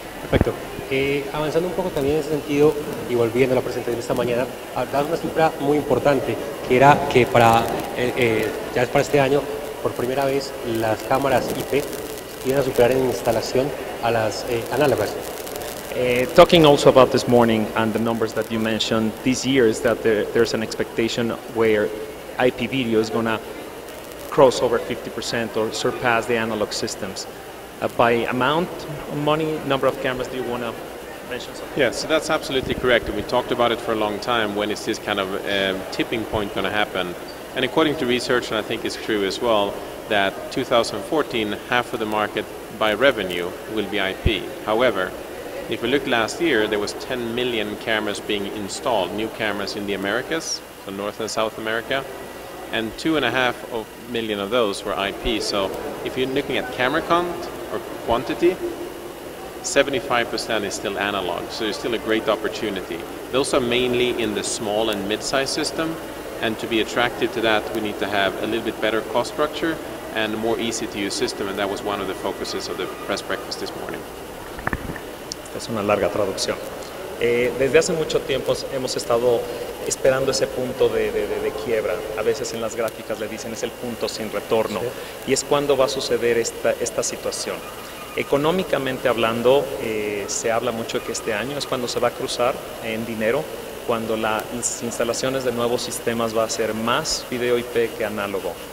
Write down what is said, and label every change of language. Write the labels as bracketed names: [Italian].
[Spanish] Perfecto. Avanzando un poco también en ese sentido, y volviendo a la presentación de esta mañana, hablabas de una cifra muy importante, que era que para, ya es para este año, por primera vez las cámaras IP iban a superar en instalación a las análogas. [English] Talking also about this morning and the numbers that you mentioned, this year is that there's an expectation where IP video is going to cross over 50% or surpass the analog systems. By amount of money, number of cameras, do you want to mention something? Yes, so that's absolutely correct. We talked about it for a long time. When is this kind of tipping point going to happen? And according to research, and I think it's true as well, that 2014, half of the market by revenue will be IP. However, if we look last year, there was 10 million cameras being installed, new cameras in the Americas, so North and South America, and 2.5 million of those were IP. So if you're looking at camera count or quantity, 75% is still analog, so there's still a great opportunity. Those are mainly in the small and mid-size system, and to be attracted to that, we need to have a little bit better cost structure and a more easy to use system, and that was one of the focuses of the press breakfast this morning. [Spanish] Es una larga traducción. Desde hace mucho tiempo hemos estado esperando ese punto de quiebra. A veces en las gráficas le dicen es el punto sin retorno. Sí. Y es cuando va a suceder esta situación. Económicamente hablando, se habla mucho de que este año es cuando se va a cruzar en dinero, cuando las instalaciones de nuevos sistemas va a ser más video IP que análogo.